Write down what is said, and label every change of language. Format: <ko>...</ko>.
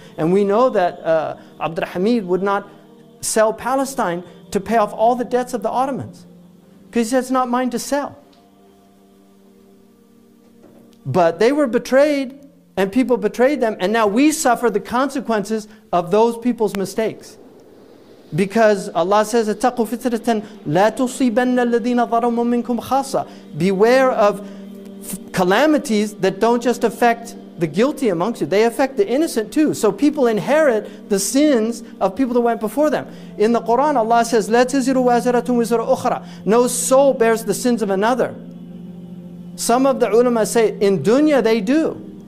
<en>And we know that Abdulhamid would not sell Palestine to pay off all the debts of the Ottomans, because he said, it's not mine to sell. But they were betrayed, and people betrayed them, and now we suffer the consequences of those people's mistakes. Because Allah says,</en> <ar>اتَّقُوا فِتْرَةً لَا تُصِيبَنَّ الَّذِينَ ظَرَمُوا مِنْكُمْ خَاصًا.</ar> <en>Beware of calamities that don't just affect the guilty amongst you, they affect the innocent too. So people inherit the sins of people that went before them. In the Quran, Allah says,</en> <ar>لَا تَزِرُ وَازِرَةٌ وِزْرَ أُخْرَى.</ar> <en>No soul bears the sins of another. Some of the ulama say, in dunya they do.</en>